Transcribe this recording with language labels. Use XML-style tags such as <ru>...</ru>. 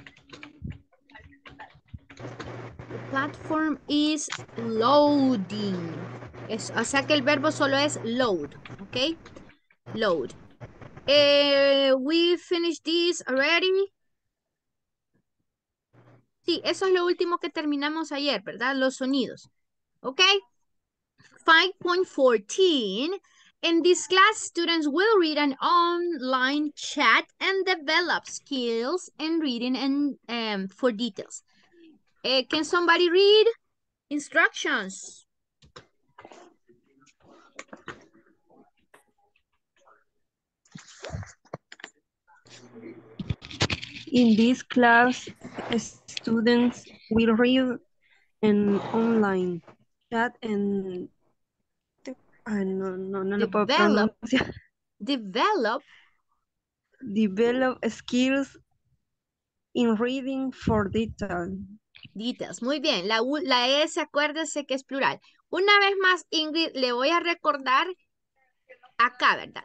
<en>The platform is loading.</en> <es>O sea que el verbo solo es load, ¿ok? Load.</es> <en>We finished this already.</en> <es>Sí, eso es lo último que terminamos ayer, ¿verdad? Los sonidos. Ok. 5.14.</es> <en>In this class, students will read an online chat and develop skills in reading and for details. Can somebody read instructions? In this class, students will read an online chat and develop skills in reading for details.</en> <es>Muy bien, la S, acuérdese que es plural. Una vez más, Ingrid, le voy a recordar acá, ¿verdad?</es>